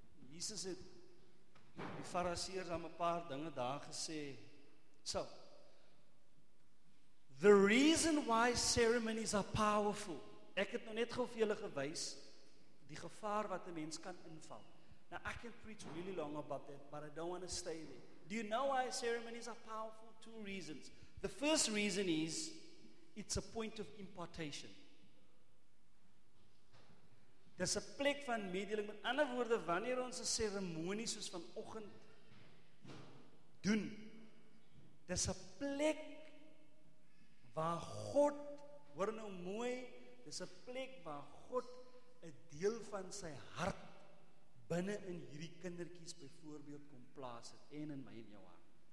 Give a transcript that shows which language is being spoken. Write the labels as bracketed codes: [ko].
[af] Jesus het die fariseërs aan 'n paar dinge daar gesê. [en] So, the reason why ceremonies are powerful, [af] ek het nou net gou vir julle gewys die gevaar wat 'n mens kan inval. [en] Now I can preach really long about that, but I don't want to stay there. Do you know why ceremonies are powerful? Two reasons. The first reason is it's a point of impartation. [af] Dis 'n plek van medeling. Met ander woorde, wanneer ons 'n seremonie soos vanoggend doen, dis 'n plek waar God, hoor nou mooi, dis 'n plek waar God 'n deel van sy hart binne in hierdie kindertjies byvoorbeeld kom plaas het en in my en jou hart.